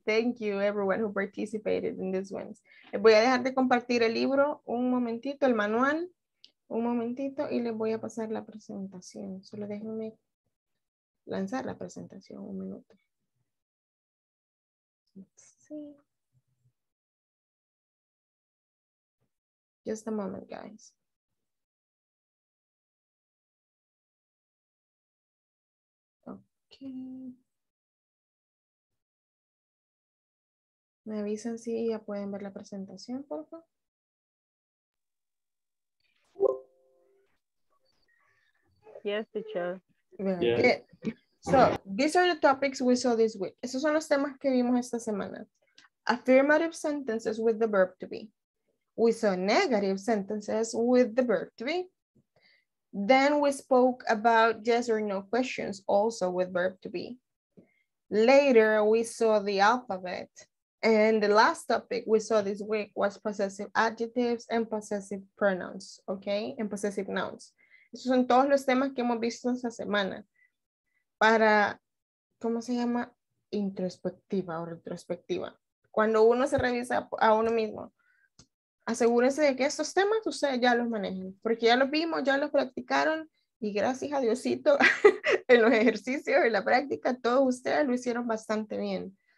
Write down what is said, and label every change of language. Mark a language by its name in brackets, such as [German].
[English] Thank you, everyone who participated in this one. [Spanish] Voy a dejar de compartir el libro un momentito, el manual, un momentito, y les voy a pasar la presentación. Solo déjenme lanzar la presentación un minuto. [English] Let's see. Just a moment, guys. [Spanish] Me avisan si ya pueden ver la presentación, por favor. [English] Yes, teacher. Yes. So, these are the topics we saw this week. [Spanish] Esos son los temas que vimos esta semana. [English] Affirmative sentences with the verb to be. We saw negative sentences with the verb to be. Then we spoke about yes or no questions also with verb to be. Later, we saw the alphabet. And the last topic we saw this week was possessive adjectives and possessive pronouns, okay? And possessive nouns. [Spanish] Esos son todos los temas que hemos visto esta semana. Para, ¿cómo se llama? Introspectiva o retrospectiva. Cuando uno se revisa a uno mismo, asegúrense de que estos temas ustedes ya los manejen, porque ya los vimos, ya los practicaron, y gracias a Diosito, en los ejercicios, en la práctica, todos ustedes lo hicieron bastante bien.